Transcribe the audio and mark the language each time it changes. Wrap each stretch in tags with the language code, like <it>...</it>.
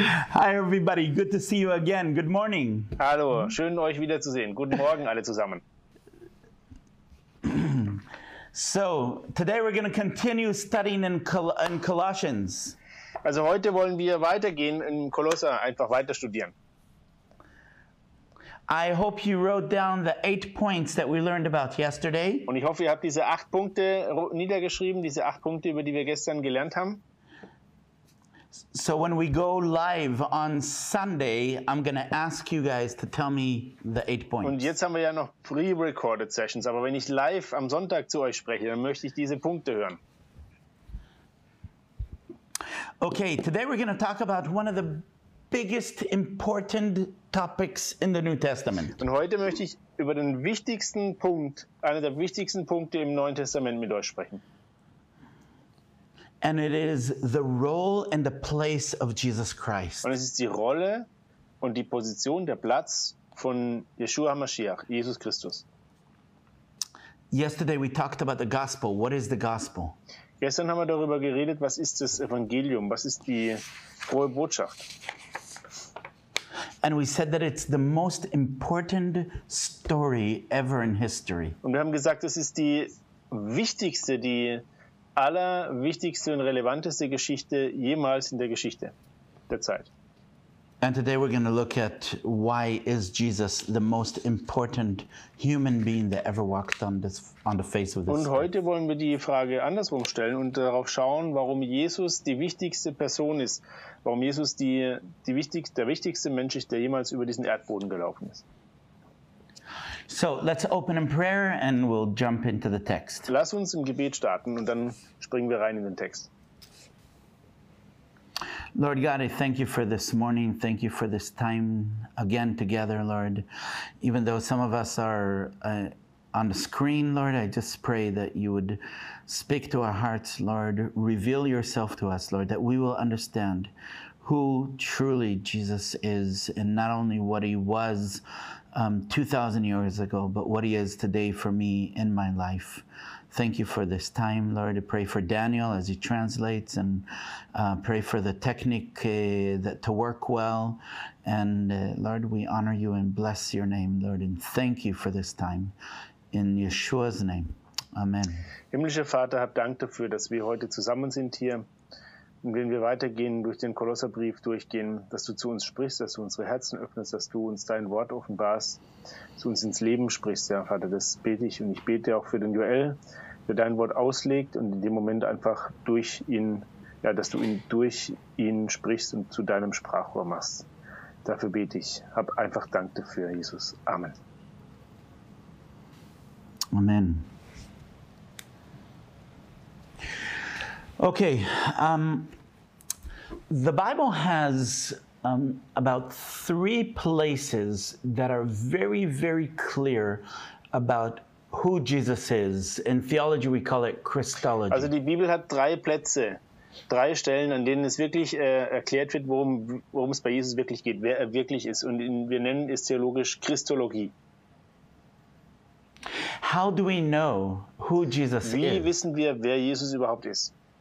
<en>Hi everybody, good to see you again. Good morning.</en> <de>Hallo, schön euch wiederzusehen. Guten Morgen alle zusammen.</de> <en>So, today we're going to continue studying in Colossians.</en> <de>Also heute wollen wir weitergehen in Kolosser, einfach weiter studieren.</de> <en>I hope you wrote down the 8 points that we learned about yesterday.</en> <de>Und ich hoffe, ihr habt diese 8 Punkte niedergeschrieben, diese 8 Punkte, über die wir gestern gelernt haben.</de> <en>So when we go live on Sunday, I'm going to ask you guys to tell me the 8 points.</en> <de>Und jetzt haben wir ja noch</de> <en>pre-recorded sessions,</en> <de>aber wenn ich live am Sonntag zu euch spreche, dann möchte ich diese Punkte hören.</de> <en>Okay, today we're going to talk about one of the biggest important topics in the New Testament.</en> <de>Und heute möchte ich über den wichtigsten Punkt, einer der wichtigsten Punkte im Neuen Testament mit euch sprechen.</de> <en>And it is the role and the place of Jesus Christ.</en> <de>Und es ist die Rolle und die Position, der Platz von Yeshua Mashiach, Jesus Christus.</de> <en>Yesterday we talked about the gospel. What is the gospel?</en> <de>Gestern haben wir darüber geredet, was ist das Evangelium? Was ist die frohe Botschaft?</de> <en>And we said that it's the most important story ever in history.</en> <de>Und wir haben gesagt, es ist die wichtigste, die allerwichtigste und relevanteste Geschichte jemals in der Geschichte der Zeit.</de> <en>And today we're going to look at why is Jesus the most important human being that ever walked on this on the face of this.</en> <de>Und heute wollen wir die Frage andersrum stellen und darauf schauen, warum Jesus die wichtigste Person ist, warum Jesus der wichtigste Mensch ist, der jemals über diesen Erdboden gelaufen ist.</de> <en>So let's open in prayer and we'll jump into the text.</en> <de>Lass uns im Gebet starten und dann springen wir rein in den Text.</de> <en>Lord God, I thank you for this morning. Thank you for this time again together, Lord. Even though some of us are on the screen, Lord, I just pray that you would speak to our hearts, Lord. Reveal yourself to us, Lord, that we will understand who truly Jesus is and not only what he was 2,000 years ago, but what he is today for me in my life. Thank you for this time, Lord. I pray for Daniel as he translates and pray for the technique that to work well. And Lord, we honor you and bless your name, Lord, and thank you for this time. In Yeshua's name, amen.</en> <de>Himmlischer Vater, hab Dank dafür, dass wir heute zusammen sind hier. Und wenn wir weitergehen, durch den Kolosserbrief durchgehen, dass du zu uns sprichst, dass du unsere Herzen öffnest, dass du uns dein Wort offenbarst, zu uns ins Leben sprichst, ja, Vater, das bete ich. Und ich bete auch für den Joel, der dein Wort auslegt und in dem Moment einfach durch ihn, ja, dass du ihn durch ihn sprichst und zu deinem Sprachrohr machst. Dafür bete ich. Hab einfach Dank dafür, Jesus. Amen. Amen.</de> <en>Okay, the Bible has about 3 places that are very, very clear about who Jesus is. In theology we call it Christology.</en> <de>Also die Bibel hat drei Plätze, drei Stellen, an denen es wirklich erklärt wird, worum es bei Jesus wirklich geht, wer er wirklich ist. Und wir nennen es theologisch Christologie.</de> <en>How do we know who Jesus</en> <de>Wie</de> <en>is?</en> <de>Wissen wir, wer Jesus überhaupt ist?</de>